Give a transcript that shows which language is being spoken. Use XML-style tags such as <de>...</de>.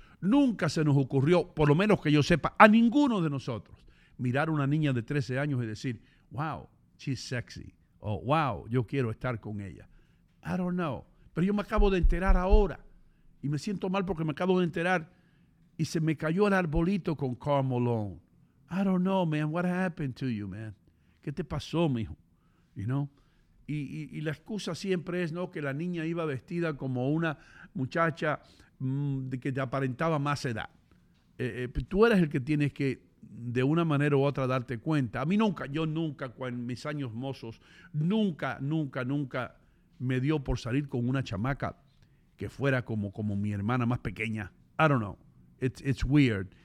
<es>Nunca se nos ocurrió, por lo menos que yo sepa, a ninguno de nosotros, mirar a una niña de 13 años y decir,</es> <en>wow, she's sexy,</en> <es>o wow, yo quiero estar con ella.</es> <en>I don't know.</en> <es>Pero yo me acabo de enterar ahora y me siento mal porque me acabo de enterar y se me cayó el arbolito con Karl Malone.</es> <en>I don't know, man, what happened to you, man?</en> <es>¿Qué te pasó, mijo?</es> <en>You know?</en> <es>Y la excusa siempre es, ¿no?, que la niña iba vestida como una muchacha que te aparentaba más edad. Tú eres el que tienes que, de una manera u otra, darte cuenta. A mí nunca, yo nunca, en mis años mozos, nunca me dio por salir con una chamaca que fuera como mi hermana más pequeña.</es> <en>I don't know. It's weird.</en>